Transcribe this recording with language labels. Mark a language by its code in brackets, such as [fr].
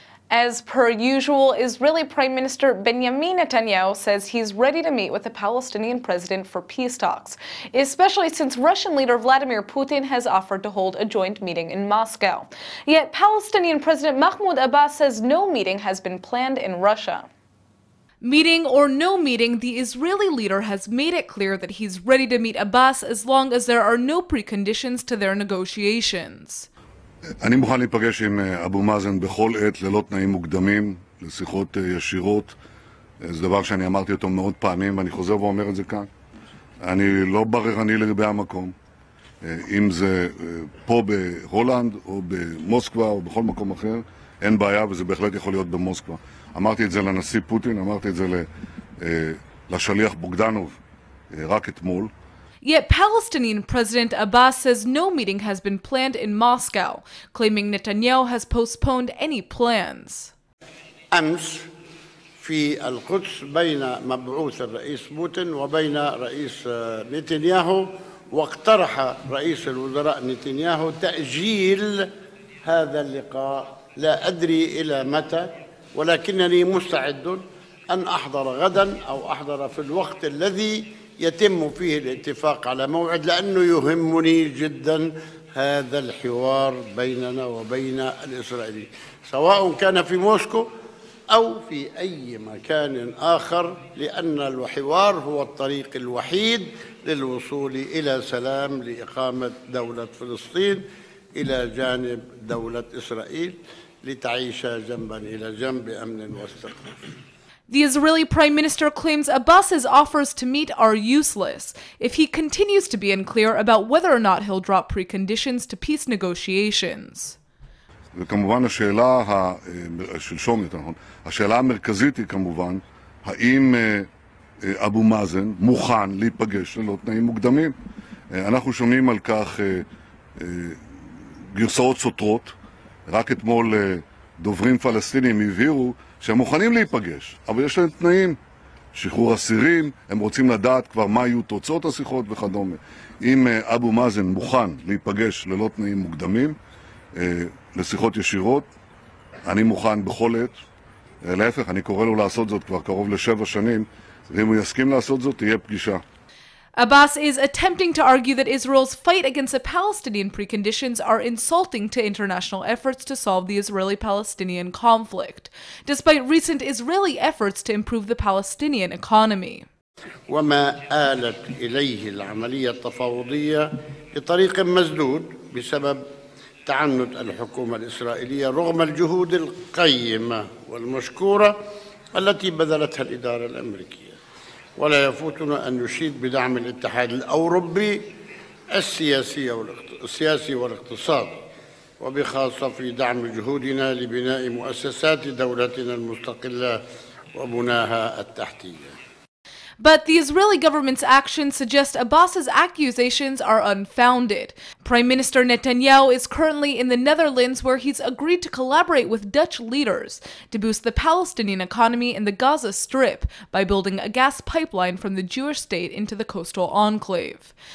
[en] As per usual, Israeli Prime Minister Benjamin Netanyahu says he's ready to meet with the Palestinian president for peace talks, especially since Russian leader Vladimir Putin has offered to hold a joint meeting in Moscow. Yet Palestinian President Mahmoud Abbas says no meeting has been planned in Russia. Meeting or no meeting, the Israeli leader has made it clear that he's ready to meet Abbas as long as there are no preconditions to their negotiations. [he] אני מוכן להיפגש עם אבו מאזן בכל עת, ללא תנאים מוקדמים, לשיחות ישירות. זה דבר שאני אמרתי אותו מאות פעמים, ואני חוזר ואומר את זה כאן. אני לא בררני לגבי המקום, אם זה פה בהולנד, או במוסקווה, או בכל מקום אחר, אין בעיה, וזה בהחלט יכול להיות במוסקווה. אמרתי את זה לנשיא פוטין, אמרתי את זה לשליח בוגדנוב רק אתמול. [en] Yet Palestinian President Abbas says no meeting has been planned in Moscow, claiming Netanyahu has postponed any plans. [ar] أمس في القدس بين مبعوث الرئيس بوتين وبين رئيس نتنياهو واقترح رئيس الوزراء نتنياهو تأجيل هذا اللقاء لا أدري إلى متى ولكنني مستعد أن أحضر غدا أو أحضر في الوقت الذي يتم فيه الاتفاق على موعد لأنه يهمني جدا هذا الحوار بيننا وبين الإسرائيليين سواء كان في موسكو أو في أي مكان آخر لأن الحوار هو الطريق الوحيد للوصول إلى سلام لإقامة دولة فلسطين إلى جانب دولة إسرائيل لتعيش جنبا إلى جنب أمن واستقرار. [en] The Israeli Prime Minister claims Abbas's offers to meet are useless if he continues to be unclear about whether or not he'll drop preconditions to peace negotiations. [he] וכמובן השאלה של שום יותר נכון, השאלה המרכזית היא כמובן, האם אבו מאזן מוכן להיפגש ללא תנאים מוקדמים? אנחנו שומעים על כך גרסאות סותרות, רק אתמול דוברים פלסטינים הבהירו שהם מוכנים להיפגש, אבל יש להם תנאים, שחרור אסירים, הם רוצים לדעת כבר מה יהיו תוצאות השיחות וכדומה. אם אבו מאזן מוכן להיפגש ללא תנאים מוקדמים, לשיחות ישירות, אני מוכן בכל עת. להפך, אני קורא לו לעשות זאת כבר קרוב לשבע שנים, ואם הוא יסכים לעשות זאת, תהיה פגישה. [en] Abbas is attempting to argue that Israel's fight against the Palestinian preconditions are insulting to international efforts to solve the Israeli-Palestinian conflict, despite recent Israeli efforts to improve the Palestinian economy. [ar] وما آلت إليه العملية التفاوضية بطريق مسدود بسبب تعنت الحكومة الإسرائيلية رغم الجهود القيمة والمشكورة التي بذلتها الإدارة الأمريكية. ولا يفوتنا أن نشيد بدعم الاتحاد الأوروبي السياسي والاقتصادي وبخاصة في دعم جهودنا لبناء مؤسسات دولتنا المستقلة وبناها التحتية. [en] But the Israeli government's actions suggest Abbas's accusations are unfounded. Prime Minister Netanyahu is currently in the Netherlands, where he's agreed to collaborate with Dutch leaders to boost the Palestinian economy in the Gaza Strip by building a gas pipeline from the Jewish state into the coastal enclave.